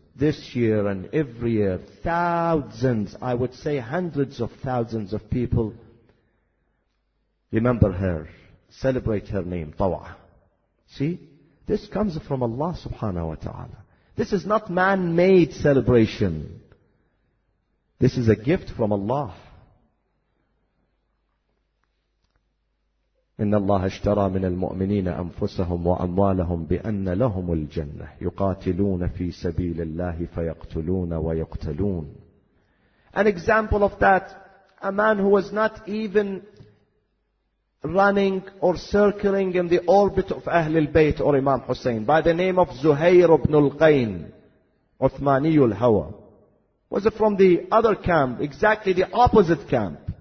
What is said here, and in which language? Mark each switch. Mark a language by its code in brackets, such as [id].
[en] this year and every year, thousands, I would say hundreds of thousands of people remember her, celebrate her name, Tawa. See, this comes from Allah subhanahu wa ta'ala. This is not man-made celebration. This is a gift from Allah. [ar] إن الله اشترى من المؤمنين أنفسهم وأموالهم بأن لهم الجنة يقاتلون في سبيل الله فيقتلون ويقتلون. [en] An example of that, a man who was not even running or circling in the orbit of Ahlul Bayt or Imam Hussein, by the name of Zuhair ibn al-Qayn, Uthmani al-Hawa, was it from the other camp, exactly the opposite camp.